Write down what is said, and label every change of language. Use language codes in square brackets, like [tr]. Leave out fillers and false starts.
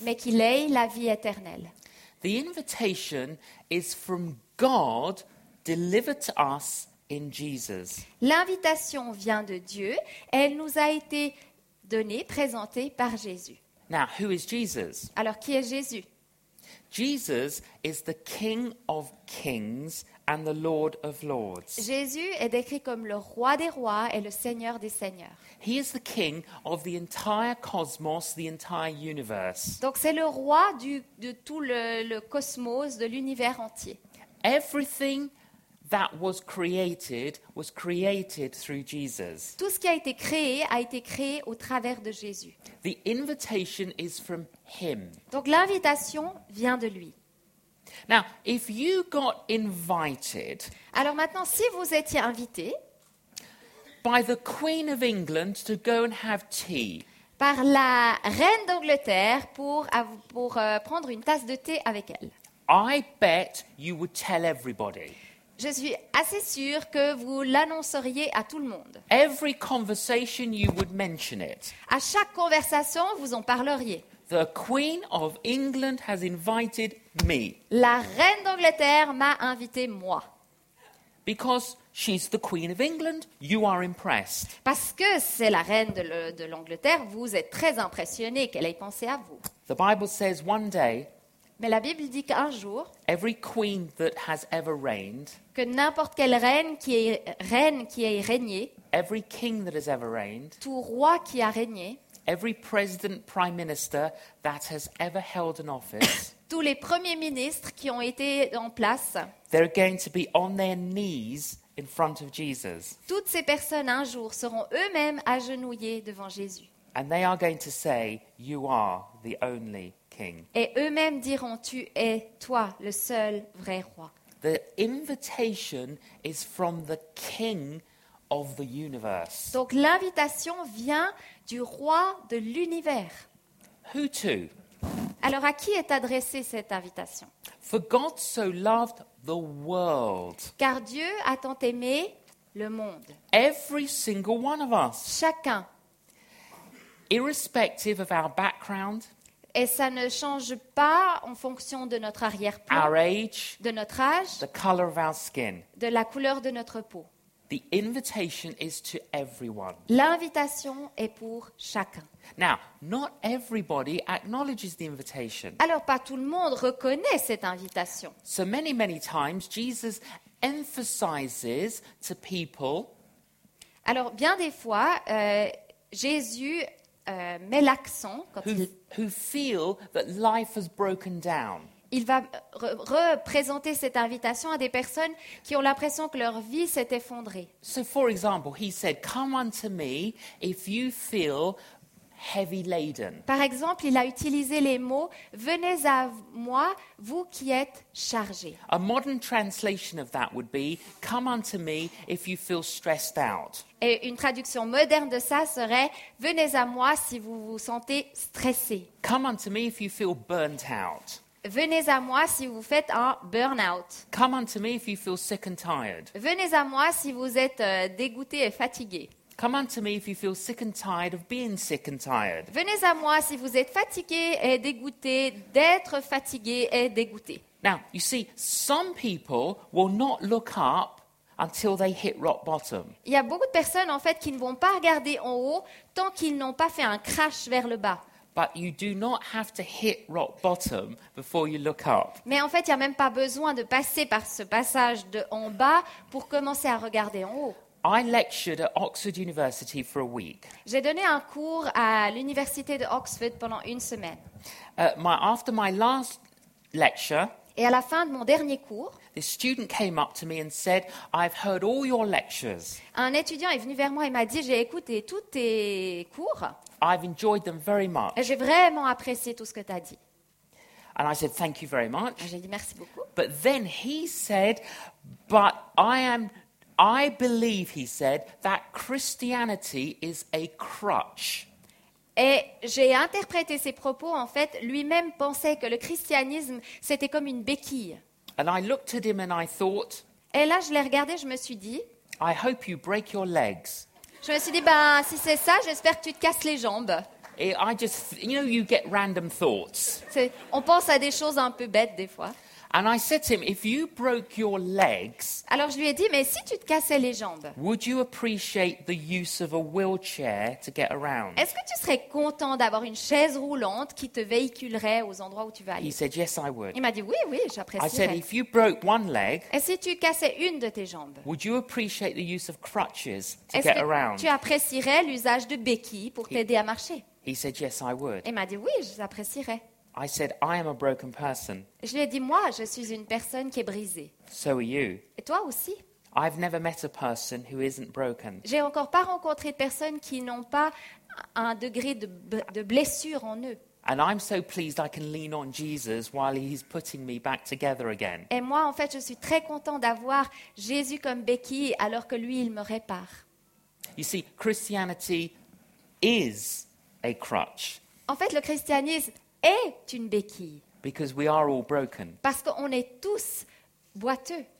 [fr] Mais qu'il ait la vie éternelle. [en] The invitation is from God. Delivered to us in Jesus. [fr] L'invitation vient de Dieu. Elle nous a été donnée, présentée par Jésus. [en] Now, who is Jesus? [fr] Alors, qui est Jésus? [en] Jesus is the King of Kings and the Lord of Lords. [fr] Jésus est décrit comme le roi des rois et le Seigneur des seigneurs. [en] He is the King of the entire cosmos, the entire universe. [fr] Donc, c'est le roi de tout le cosmos, de l'univers entier. [en] Everything that was created through Jesus. [fr] Tout ce qui a été créé au travers de Jésus. [en] The invitation is from him. [fr] Donc l'invitation vient de lui. [en] Now, if you got invited. [fr] Alors maintenant, si vous étiez invité. [en] By the Queen of England to go and have tea. [fr] Par la reine d'Angleterre pour prendre une tasse de thé avec elle. [en] I bet you would tell everybody. [fr] Je suis assez sûre que vous l'annonceriez à tout le monde. [en] Every conversation you would mention it. [fr] À chaque conversation, vous en parleriez. [en] The Queen of England has invited me. [fr] La reine d'Angleterre m'a invité moi. [en] Because she's the Queen of England, you are impressed. [fr] Parce que c'est la reine de l'Angleterre, vous êtes très impressionné qu'elle ait pensé à vous. [en] The Bible says one day. [fr] Mais la Bible dit qu'un jour, [en] every queen that has ever reigned, [fr] que n'importe quelle reine qui ait régné, [en] every king that has ever reigned, [fr] tout roi qui a régné, [en] every president, prime minister that has ever held an office, [fr] tous les premiers ministres qui ont été en place, [en] they're going to be on their knees in front of Jesus. [fr] Toutes ces personnes un jour seront eux-mêmes agenouillées devant Jésus. [en] And they are going to say, you are the only. [fr] Et eux-mêmes diront, tu es toi le seul vrai roi. [en] The invitation is from the King of the universe. [fr] Donc l'invitation vient du roi de l'univers. [en] Who to? [fr] Alors à qui est adressée cette invitation? [en] For God so loved the world. [fr] Car Dieu a tant aimé le monde. [en] Every single one of us. [fr] Chacun. [en] Irrespective of our background. [fr] Et ça ne change pas en fonction de notre arrière-plan, [en] our age, [fr] de notre âge, [en] the color of our skin, [fr] de la couleur de notre peau. [en] The invitation is to everyone. [fr] L'invitation est pour chacun. [en] Now, not everybody acknowledges the invitation. [fr] Alors, pas tout le monde reconnaît cette invitation. [en] So many, many times, Jesus emphasizes to people. [fr] Alors, bien des fois, Jésus met l'accent quand [en] who feel that life has broken down. [fr] Il va représenter cette invitation à des personnes qui ont l'impression que leur vie s'est effondrée. [en] So for example, he said, come unto me if you feel heavy laden. [fr] Par exemple, il a utilisé les mots venez à moi vous qui êtes chargés. [en] A modern translation of that would be come unto me if you feel stressed out. [fr] Et une traduction moderne de ça serait venez à moi si vous vous sentez stressé. [en] Come unto me if you feel burnt out. [fr] Venez à moi si vous faites un burn-out. [en] Come unto me if you feel sick and tired. [fr] Venez à moi si vous êtes dégoûté et fatigué. [en] Come unto me if you feel sick and tired of being sick and tired. [fr] Venez à moi si vous êtes fatigué et dégoûté d'être fatigué et dégoûté. [en] Now, you see, some people will not look up until they hit rock bottom. [fr] Il y a beaucoup de personnes en fait qui ne vont pas regarder en haut tant qu'ils n'ont pas fait un crash vers le bas. [en] But you do not have to hit rock bottom before you look up. [fr] Mais en fait, il y a même pas besoin de passer par ce passage de en bas pour commencer à regarder en haut. [en] I lectured at Oxford University for a week. [fr] J'ai donné un cours à l'université de Oxford pendant une semaine. [en] After my last lecture, [fr] Et à la fin de mon dernier cours, [en] this student came up to me and said, I've heard all your lectures. [fr] Un étudiant est venu vers moi et m'a dit, j'ai écouté tous tes cours. [en] I've enjoyed them very much. [fr] Et j'ai vraiment apprécié tout ce que tu as dit. [en] And I said, thank you very much. [fr] Et j'ai dit merci beaucoup. [en] But then he said, but I believe, he said, that Christianity is a crutch. [fr] Et j'ai interprété ses propos, en fait, lui-même pensait que le christianisme, c'était comme une béquille. [en] And I looked at him and I thought, [fr] et là, je l'ai regardé, je me suis dit, [en] I hope you break your legs. [fr] Je me suis dit, ben, si c'est ça, j'espère que tu te casses les jambes. [en] And I just, you know, you get random thoughts. [fr] C'est, on pense à des choses un peu bêtes, des fois. [en] And I said to him, if you broke your legs, [fr] alors je lui ai dit, mais si tu te cassais les jambes, [en] would you appreciate the use of a wheelchair to get around? [fr] Est-ce que tu serais content d'avoir une chaise roulante qui te véhiculerait aux endroits où tu veux aller? [en] He said, yes, I would. [fr] Il m'a dit, oui, oui, j'apprécierais. [en] I said, if you broke one leg, [fr] et si tu cassais une de tes jambes, [en] would you appreciate the use of crutches to [fr] est-ce [en] get [fr] que [en] around? [fr] Tu apprécierais l'usage de béquilles pour t'aider à marcher? [en] He said, yes, I would. [fr] Il m'a dit, oui, j'apprécierais. [en] I said, I am a broken person. [fr] Je lui ai dit, moi, je suis une personne qui est brisée. [en] So are you. [fr] Et toi aussi. [en] I've never met a person who isn't broken. [fr] J'ai encore pas rencontré de personnes qui n'ont pas un degré de blessure en eux. [en] And I'm so pleased I can lean on Jesus while he's putting me back together again. [fr] Et moi, en fait, je suis très content d'avoir Jésus comme béquille alors que lui, il me répare. [en] You see, Christianity is a crutch. [fr] En fait, le christianisme est une béquille. [en] Because we are all broken. [fr] Parce qu'on est tous boiteux.